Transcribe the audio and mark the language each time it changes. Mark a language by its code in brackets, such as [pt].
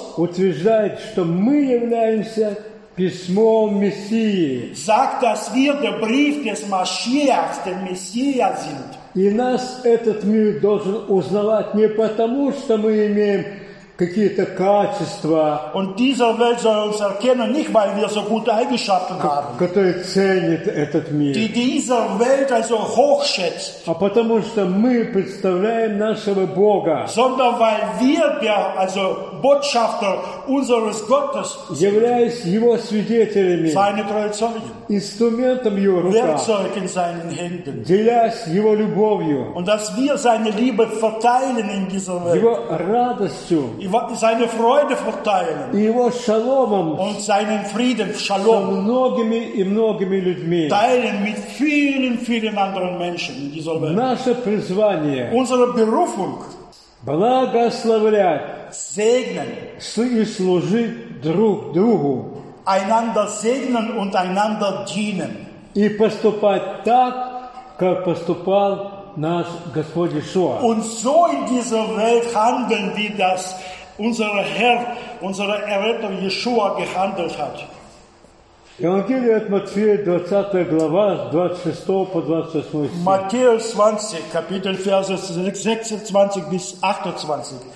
[ru] утверждает, что мы являемся письмом Мессии. [de] Sagt, dass wir der Brief des Maschiach, der Messia sind. [ru] И нас этот мир должен узнавать не потому, что мы имеем какие-то качества, [de] und dieser Welt soll uns erkennen, nicht weil wir so gute Eigenschaften haben, [ru] которые ценит этот мир, [de] die dieser Welt also hochschätzt, [ru] а потому что мы представляем нашего Бога, [de] sondern weil wir also Botschafter unseres Gottes sind, [ru] являясь Его свидетелями, [de] seine Trauzeugen, [ru] инструментом Его рука, [de] Werkzeug in seinen Händen, [ru] делясь Его любовью, [de] und dass wir seine Liebe verteilen in dieser Welt, [ru] Его радостью, [de] seine Freude verteilen, [ru] Его шаломом, [de] und seinen Frieden, Шалом, [ru] со многими и многими людьми, [de] teilen mit vielen, vielen anderen Menschen in dieser Welt. [ru] Наше призвание, [de] unsere Berufung, [ru] благословлять, [de] segnen, [ru] и служить друг другу, [de] einander segnen und einander dienen, [ru] и поступать так, как поступал наш Господь Иисус. [de] Und so in dieser Welt handeln, wie das unser Herr, unser Erretter Jeshua gehandelt hat. [ru] Евангелие от Матфея, 20 глава, 26 по 28 стих. [de] Matthäus 20, Kapitel, Verse 26 bis 28.